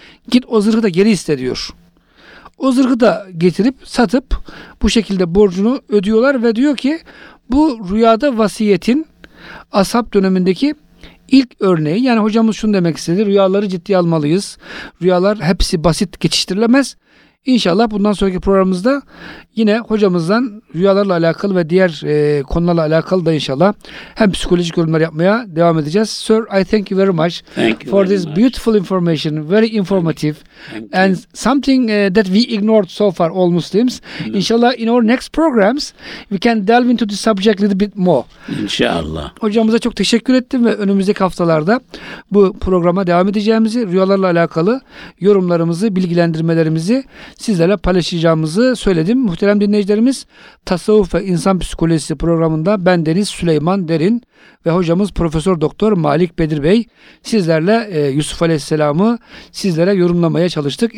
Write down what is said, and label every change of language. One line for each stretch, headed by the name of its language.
Turkish: Git o zırhı da geri iste diyor. O zırhı da getirip satıp bu şekilde borcunu ödüyorlar ve diyor ki bu rüyada vasiyetin ashab dönemindeki ilk örneği. Yani hocamız şunu demek istedi. Rüyaları ciddiye almalıyız. Rüyalar hepsi basit geçiştirilemez. İnşallah bundan sonraki programımızda yine hocamızdan rüyalarla alakalı ve diğer konularla alakalı da inşallah hem psikolojik yorumlar yapmaya devam edeceğiz.
English: Sir, I thank you very much beautiful information, very informative and something that we ignored so far, all Muslims. Mm-hmm. İnşallah in our next programs we can delve into the subject a little bit more.
Turkish: İnşallah. Hocamıza çok teşekkür ettim ve önümüzdeki haftalarda bu programa devam edeceğimizi, rüyalarla alakalı yorumlarımızı, bilgilendirmelerimizi sizlerle paylaşacağımızı söyledim. Muhterem dinleyicilerimiz, Tasavvuf ve İnsan Psikolojisi programında ben Deniz Süleyman Derin ve hocamız Profesör Doktor Malik Bedir Bey sizlerle Yusuf Aleyhisselam'ı sizlere yorumlamaya çalıştık.